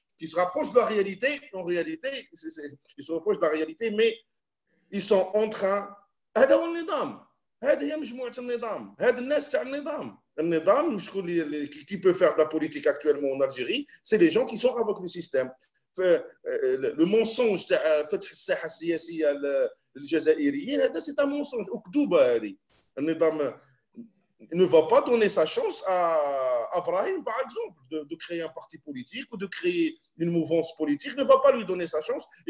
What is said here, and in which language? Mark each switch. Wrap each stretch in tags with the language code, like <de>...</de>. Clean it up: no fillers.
<fr>Qui se rapprochent de la réalité, en réalité, ils se rapprochent de la réalité, mais ils sont en train.</fr> <ar>هذا هو النظام. هذا هي مجموعة النظام. هذا الناس تاع النظام.</ar> <fr>النظام qui peut faire de la politique actuellement en Algérie, c'est les gens qui sont avec le système. Le mensonge</fr> <ar>تاع فتح الساحة السياسية للجزائريين, هذا</ar> <fr>c'est un mensonge.</fr> <ar>وكذوبة هذه.</ar> <fr>النظام ne va pas donner sa chance à Ibrahim, par exemple, de créer un parti politique ou de créer une mouvance politique, ne va pas lui donner sa chance.</fr>